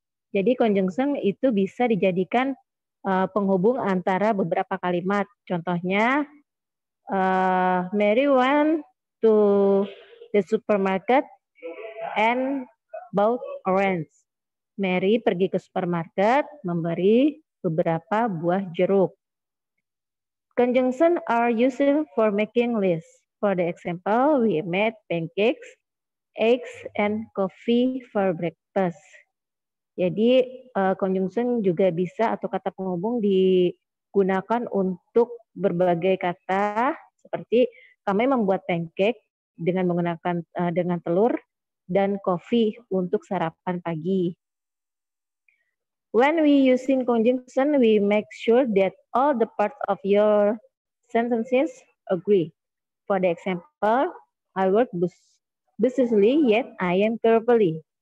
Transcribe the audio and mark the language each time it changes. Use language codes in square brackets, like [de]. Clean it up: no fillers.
[id] Jadi conjunction itu bisa dijadikan penghubung antara beberapa kalimat. Contohnya, [en] Mary went to the supermarket and bought orange. [id] Mary pergi ke supermarket memberi beberapa buah jeruk. [en] Conjunction are used for making lists. For the example, we made pancakes, eggs, and coffee for breakfast. [id] Jadi, conjunction juga bisa atau kata penghubung digunakan untuk berbagai kata seperti kami membuat pancake dengan menggunakan dengan telur dan coffee untuk sarapan pagi. [en] When we using conjunction, we make sure that all the parts of your sentences agree. For the example, I work busily, yet I am carefully.